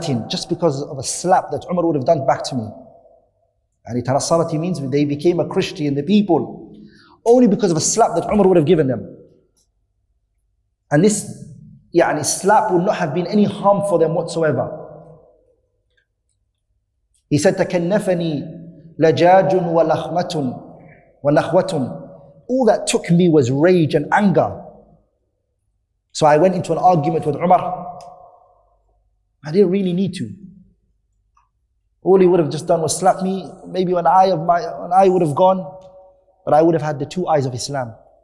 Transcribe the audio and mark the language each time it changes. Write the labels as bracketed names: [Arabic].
[English] Just because of a slap that Umar would have done back to me. And Tanassarati means they became a Christian, the people, only because of a slap that Umar would have given them. And this يعني, slap would not have been any harm for them whatsoever. He said, [Arabic] تَكَنَّفَنِي لَجَاجٌ وَلَخْمَةٌ وَنَخْوَةٌ. [English] All that took me was rage and anger. So I went into an argument with Umar. I didn't really need to. All he would have just done was slap me. Maybe an eye would have gone, but I would have had the two eyes of Islam.